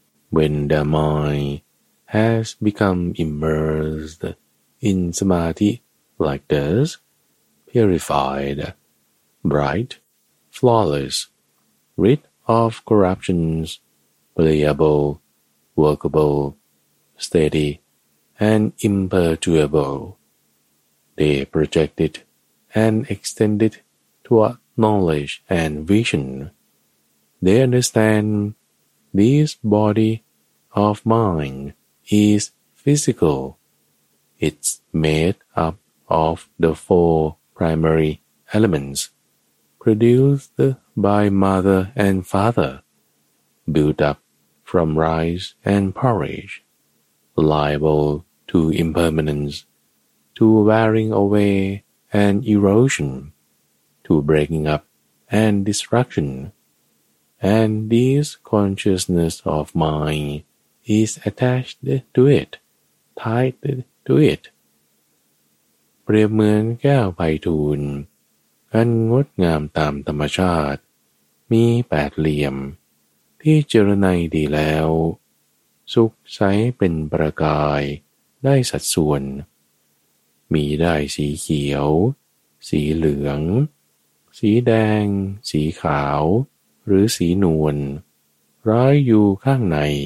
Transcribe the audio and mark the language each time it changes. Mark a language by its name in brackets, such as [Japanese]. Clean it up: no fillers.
[English] When the mind has become immersed in samadhi like this, purified, bright, flawless, rid of corruptions, playable, workable, steadyand imperturbable, they project it and extend it toward knowledge and vision. They understand this body of mine is physical. It's made up of the four primary elements produced by mother and father, built up from rice and porridge.Liable to impermanence, to wearing away and erosion, to breaking up and destruction. And this consciousness of mine is attached to it, tied to it. [Thai] เปรียบเหมือนแก้วไพฑูรย์อันงดงามตามธรรมชาติมีแปดเหลี่ยมที่เจรไนดีแล้วสุขใสเป็นประกายได้สัดส่วนมีได้สีเขียวสีเหลืองสีแดงสีขาวหรือสีนวลร้อยอยู่ข้างใน